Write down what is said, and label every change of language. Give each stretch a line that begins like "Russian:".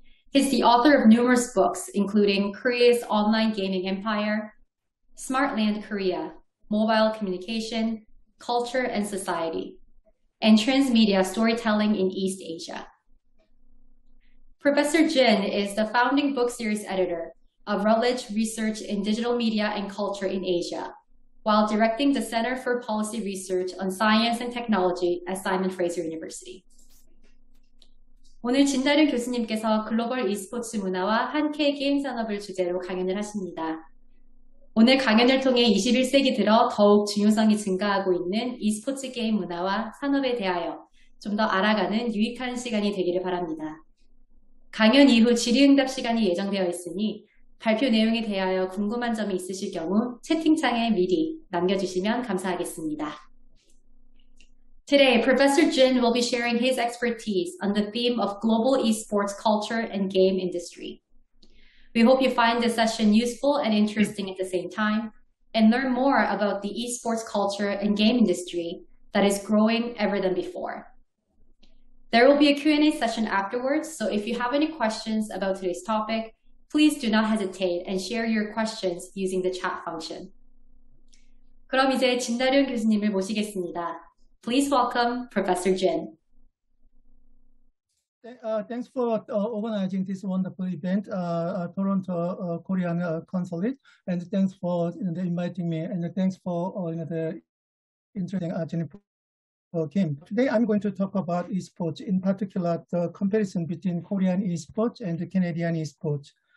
English: He's the author of numerous books, including Korea's Online Gaming Empire, Smartland Korea, Mobile Communication, Culture and Society, and Transmedia Storytelling in East Asia. Professor Jin is the founding book series editor of Routledge Research in Digital Media and Culture in Asia, while directing the Center for Policy Research on Science and Technology at Simon Fraser University.
Korean: 오늘 진다룡 교수님께서 글로벌 e스포츠 문화와 한케 게임 산업을 주제로 강연을 하십니다. 오늘 강연을 통해 21세기 들어 더욱 중요성이 증가하고 있는 e스포츠 게임 문화와 산업에 대하여 좀 더 알아가는 유익한 시간이 되기를 바랍니다. 강연 이후 질의응답 시간이 예정되어 있으니 발표 내용에 대하여 궁금한 점이 있으실 경우 채팅창에 미리 남겨주시면 감사하겠습니다.
English: Today, Professor Jin will be sharing his expertise on the theme of global esports culture and game industry. We hope you find this session useful and interesting at the same time, and learn more about the esports culture and game industry that is growing ever than before. There will be a Q&A session afterwards, so if you have any questions about today's topic, please do not hesitate and share your questions using the chat function.
Korean: 그럼 이제 진다륜 교수님을 모시겠습니다.
English: Please welcome Professor Jin. Thanks for organizing this wonderful event, Toronto Korean Consulate, and thanks for inviting me, and thanks for the interesting Jennifer Kim. Today I'm going to talk about esports, in particular the comparison between Korean esports and the Canadian esports.